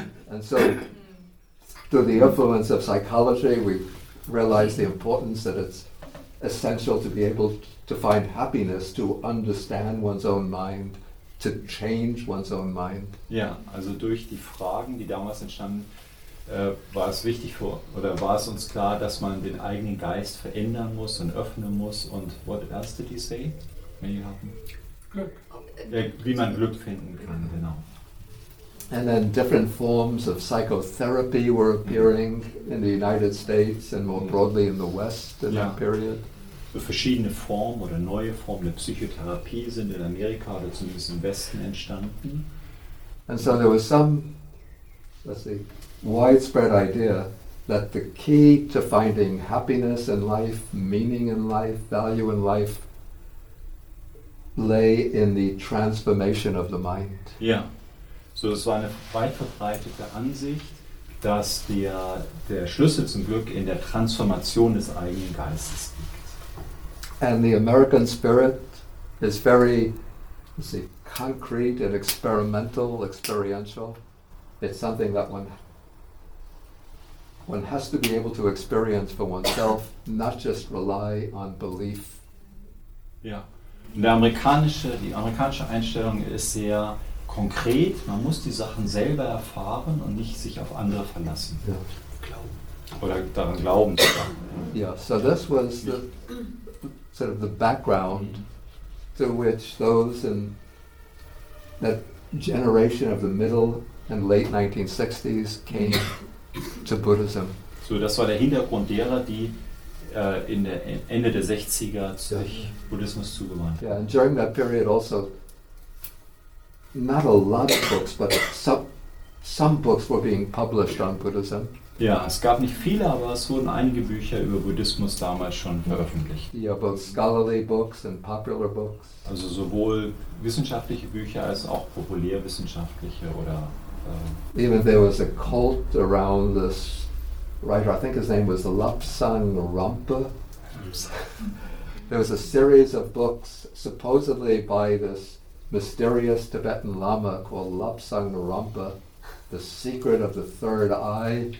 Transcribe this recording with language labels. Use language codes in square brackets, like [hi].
[en] And so, through the influence of psychology, we realize the importance that it's essential to be able to find happiness, to understand one's own mind, to change one's own mind. [de] Ja, also durch die Fragen, die damals entstanden, war es wichtig für, oder war es uns klar, dass man den eigenen Geist verändern muss und öffnen muss. Und [en] what else did he say? [de] Glück. Wie man Glück finden kann, genau. [en] And then different forms of psychotherapy were appearing in the United States and more broadly in the West in ja. that period. [de] So verschiedene Formen oder neue Formen der Psychotherapie sind in Amerika oder zumindest im Westen entstanden. [en] And so there was some, let's see, widespread idea that the key to finding happiness in life, meaning in life, value in life, lay in the transformation of the mind. [de] Ja, so es war eine weit verbreitete Ansicht, dass der Schlüssel zum Glück in der Transformation des eigenen Geistes liegt. [en] And the American spirit is very, let's see, concrete and experimental, experiential. It's something that one one has to be able to experience for oneself, not just rely on belief. Yeah. [de] Die amerikanische Einstellung ist sehr konkret. Man muss die Sachen selber erfahren und nicht sich auf andere verlassen. Yeah. Oder daran glauben. [en] Yeah, so this was the sort of the background to which those in that generation of the middle and late 1960s came to Buddhism. [de] So, das war der Hintergrund derer, die in der Ende der 60er sich Buddhismus zugewandt. [en] Yeah, and during that period also not a lot of books, but some books were being published on Buddhism. [de] Ja, es gab nicht viele, aber es wurden einige Bücher über Buddhismus damals schon veröffentlicht. [en] Yeah, both scholarly books and popular books. [de] Also sowohl wissenschaftliche Bücher als auch populärwissenschaftliche oder [en] Even there was a cult around this writer, I think his name was Lobsang Rumpa. There was a series of books supposedly by this mysterious Tibetan Lama called Lobsang Rumpa, The Secret of the Third Eye.